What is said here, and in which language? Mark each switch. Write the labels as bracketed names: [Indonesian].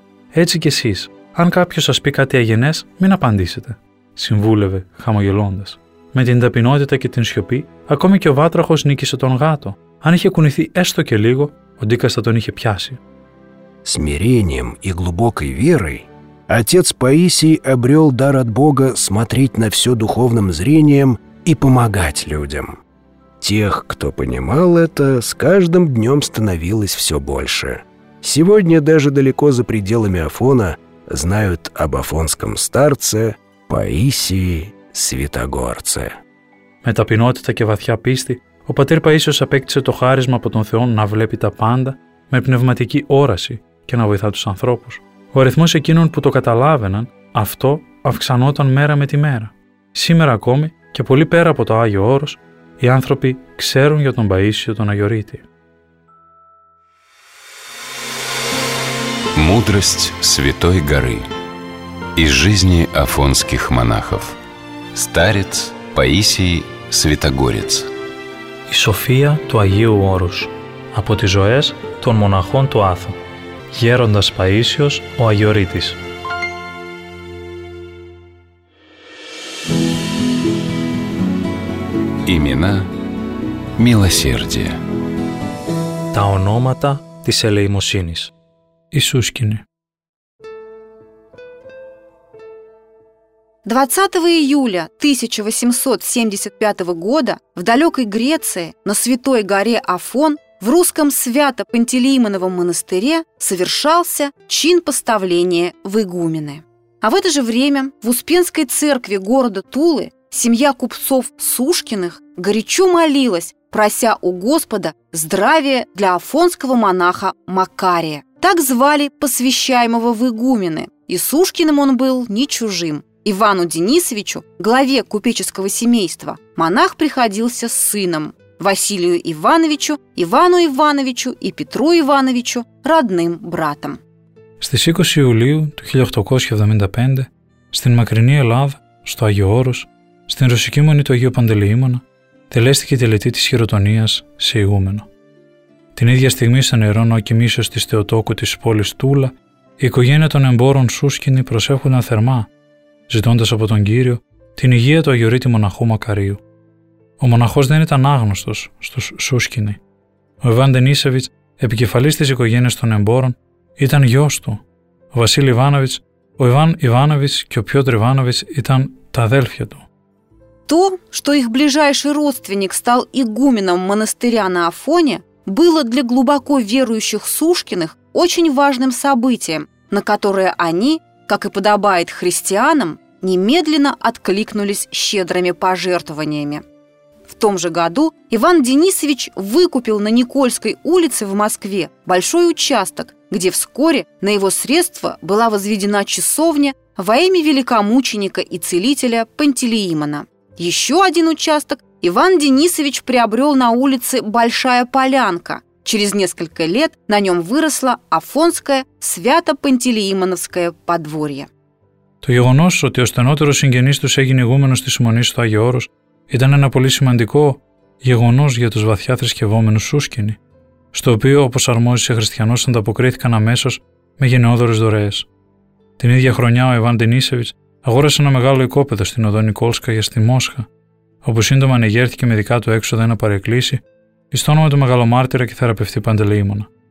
[Greek] «Έτσι και εσείς. Αν κάποιος σας πει κάτι αγενές, μην απαντήσετε», συμβούλευε χαμογελώντας. Με την ταπεινότητα και την σιωπή, ακόμη και ο βάτραχος νίκησε τον γάτο. Αν είχε κουνηθεί έστω και λίγο, ο Ντίκας θα τον είχε πιάσει. [Russian] «Смирением и глубокой верой отец Паисий обрел дар от Бога смотреть на все духовным зрением и помогать людям. Тех, кто понимал это, с каждым днем становилось все больше. Сегодня даже далеко за пределами Афона знают об афонском старце Паисии Святогорце». [Greek] Με ταπεινότητα και βαθιά πίστη, ο πατήρ Παΐσιος απέκτησε το χάρισμα από τον Θεό να βλέπει τα πάντα με πνευματική όραση και να βοηθά τους ανθρώπους. Ο αριθμός εκείνων που το καταλάβαιναν, αυτό αυξανόταν μέρα με τη μέρα. Σήμερα ακόμη, και πολύ πέρα από το Άγιο Όρος, οι άνθρωποι ξέρουν για τον Παΐσιο τον Αγιορείτη. [Russian] Мудрость Святой Горы из жизни афонских монахов. Старец Паисий Святогорец. [Greek] Η Σοφία του Αγίου Όρους από τις ζωές των μοναχών του Άθου. Γέροντας Παΐσιος ο Αγιορείτης. [Russian] Имена милосердия. [Greek] Τα ονόματα της ελεημοσύνης. Ισούσκινη. [Russian] 20 июля 1875 года в далекой Греции на святой горе Афон в русском Свято-Пантелеимоновом монастыре совершался чин поставления в игумены. А в это же время в Успенской церкви города Тулы семья купцов Сушкиных горячо молилась, прося у Господа здравия для афонского монаха Макария. Так звали посвящаемого в игумены, и Сушкиным он был не чужим. Ивану Денисовичу, главе купеческого семейства, монах приходился с сыном, Василию Ивановичу, Ивану Ивановичу и Петру Ивановичу, родным братом. [Greek] Στις 20 Ιουλίου του 1875, στην μακρινή Ελλάδα, στο Άγιο Όρος, στην ρωσική μονή του Αγίου Παντελεήμονα, τελέστηκε η τελετή της χειροτονίας σε ηγούμενο. Την ίδια στιγμή, σε νερό νοκοιμήσεως της Θεοτόκου της πόλης Τούλα, η οικογένεια των εμπόρων Σούσκινη προσεύχονταν θερμά, ζητώντας από τον Κύριο την υγεία του Αγιορείτη μοναχού Μακαρίου. Ο μοναχός δεν ήταν άγνωστος στους Σούσκινη. Ο Ιβάν Ντενίσεβιτς, επικεφαλής της οικογένειας των εμπόρων, ήταν γιος του. Ο Βασίλη Ιβάνοβιτς, ο Ιβάν Ιβάνοβιτς και ο Πιότρ Ιβάνοβιτς ήταν τα αδέλφια του. [Russian] То, что их ближайший родственник стал игуменом монастыря на Афоне, было для глубоко верующих Сушкиных очень важным событием, на которое они, как и подобает христианам, немедленно откликнулись щедрыми пожертвованиями. В том же году Иван Денисович выкупил на Никольской улице в Москве большой участок, где вскоре на его средства была возведена часовня во имя великомученика и целителя Пантелеимона. Еще один участок Иван Денисович приобрел на улице Большая Полянка. Через несколько лет на нем выросло Афонское Свято-Пантелеимоновское подворье. [Greek] Το γεγονός ότι ο στενότερος συγγενής τους έγινε ηγούμενος της Μονής του Άγιο Όρος ήταν ένα πολύ σημαντικό γεγονός για τους βαθιά θρησκευόμενους Σούσκινοι, στο οποίο όπως αρμόζησε χριστιανός ανταποκρίθηκαν αμέσως με γενναιόδωρες δωρεές. Την ίδια χρονιά ο Ιβάν Ντενίσεβιτς αγόρασε ένα μεγάλο οικόπεδο στην οδό Νικόλσκα για στη Μόσχα, όπου σύντομα ανεγέρθηκε με δικά του έξοδα ένα παρεκκλήσι, εις το όνομα του μεγαλομάρτυρα και θεραπευτή Παντελεήμονα.